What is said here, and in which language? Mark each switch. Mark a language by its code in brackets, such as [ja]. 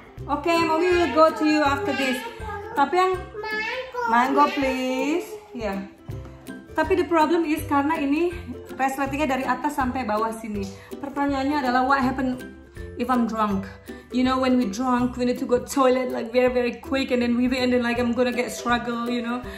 [en] Oke, Mami will go to you after this. [id] Tapi yang [en] mango please, [id] ya. Tapi [en] the problem is [id] karena ini resletingnya dari atas sampai bawah sini. Pertanyaannya adalah [en] what happened? if I'm drunk. You know, when we drunk, we need to go toilet like very very quick, and then we end in like I'm gonna get struggle, you know.